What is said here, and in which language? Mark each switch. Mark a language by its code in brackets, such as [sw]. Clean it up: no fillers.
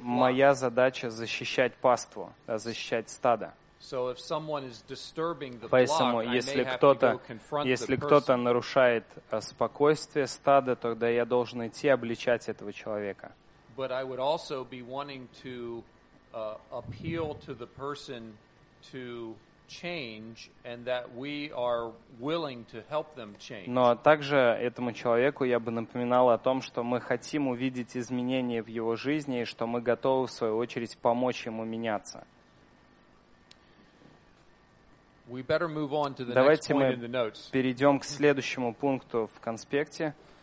[ru] Моя задача защищать паству, да, защищать стадо. [en] So if someone is disturbing the flock, I may have to go confront the person. [ru] Кто-то нарушает спокойствие стада, тогда я должен идти обличать этого человека. [en] But I would also be wanting to appeal to the person to change, and that we are willing to help them change. [ru] Но также этому человеку я бы напоминал о том, что мы хотим увидеть изменения в его жизни и что мы готовы в свою очередь помочь ему меняться. [en] We better move on to the [ru] Давайте [en] next point in the notes. [ru] Давайте мы перейдем к следующему пункту в конспекте.